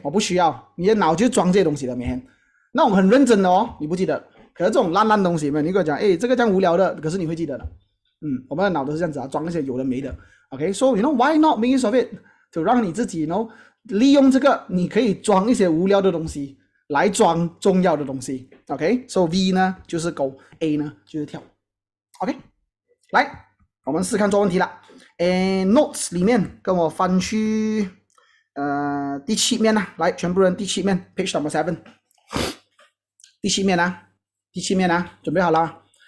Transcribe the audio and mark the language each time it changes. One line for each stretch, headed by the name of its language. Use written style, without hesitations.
Chinese: 我不需要，你的脑就装这些东西的，每天。那我很认真的哦，你不记得？可是这种烂烂东西，没你跟我讲，哎，这个这样无聊的，可是你会记得的。嗯，我们的脑都是这样子啊，装那些有的没的。
English: Okay. So you know why not make use of it to
Chinese: 让你自己
English: you know.
Chinese: 利用这个你可以装一些无聊的东西来装重要的东西， OK, so V 呢就是勾， A 呢就是跳， OK, 来我们试看做问题了。 And notes 里面跟我翻去第七面啊，来全部人第七面
English: page number 7,
Chinese: 第七面啊准备好了。